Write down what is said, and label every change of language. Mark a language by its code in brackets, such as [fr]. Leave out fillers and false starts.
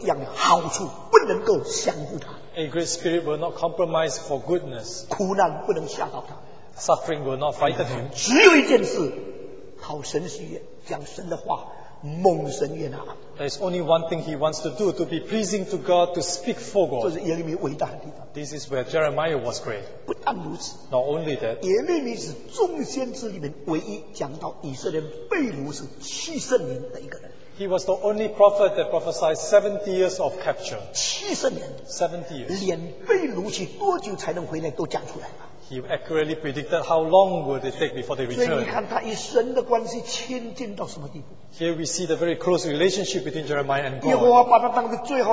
[zh] 真正伟大的心灵是各样的好处，不能够相互的。 [en] A great spirit will not compromise for goodness. [zh] 苦难不能吓到他。 [en] Suffering will not frighten him. [zh] 只有一件事，讨神喜悦，讲神的话，蒙神悦纳。 [en] There's only one thing he wants to do, to be pleasing to God, to speak for God. [zh] 这是耶利米伟大的地方。 [en] This is where Jeremiah was great. [zh] 不但如此, [en] not only that, [zh] 耶利米是众先知里面唯一讲到以色列被掳是七十年的一个人。 [en] He was the only prophet that prophesied 70 years of capture. [zh] 七十年, [en] 70 years. [zh] 连被掳去多久才能回来都讲出来。 [en] He accurately predicted how long would it take before they return. [zh] 所以你看他与神的关系亲近到什么地步。 [en] Here we see the very close relationship between Jeremiah and God.